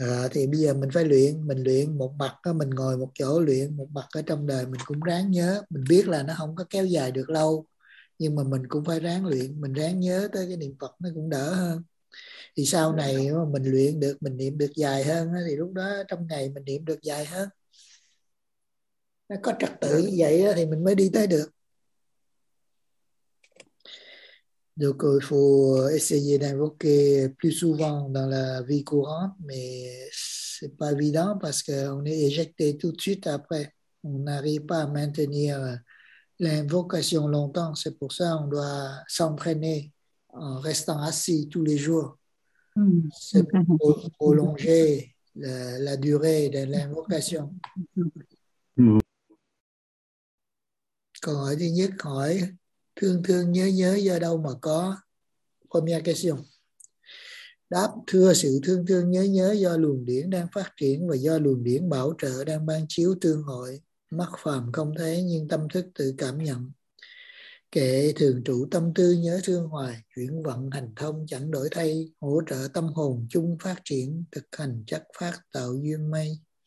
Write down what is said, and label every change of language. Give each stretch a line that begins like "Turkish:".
Vietnamese: Thì bây giờ mình phải luyện, mình luyện một mặt đó, mình ngồi một chỗ luyện một mặt ở trong đời mình cũng ráng nhớ, mình biết là nó không có kéo dài được lâu, nhưng mà mình cũng phải ráng luyện, mình ráng nhớ tới cái niệm Phật nó cũng đỡ hơn. Thì sau này mà mình luyện được, mình niệm được dài hơn đó, thì lúc đó trong ngày mình niệm được dài hơn, nó có trật tự như vậy đó, thì mình mới đi tới được.
French: Donc il faut essayer d'invoquer plus souvent dans la vie courante, mais c'est pas évident parce qu'on est éjecté tout de suite après. On n'arrive pas à maintenir l'invocation longtemps. C'est pour ça qu'on doit s'entraîner en restant assis tous les jours. C'est pour prolonger la durée de l'invocation.
Vietnamese: Câu hỏi thứ nhất, hỏi thương thương nhớ nhớ do đâu mà có?
French: Premier question.
Vietnamese: Đáp: thưa, sự thương thương nhớ nhớ do luồng điển đang phát triển và do luồng điển bảo trợ đang ban chiếu tương hội. Mắt phàm không thấy nhưng tâm thức tự cảm nhận. Kệ thường trụ tâm tư nhớ thương hoài, chuyển vận hành thông chẳng đổi thay, hỗ trợ tâm hồn chung phát triển, thực hành chắc phát tạo duyên mây.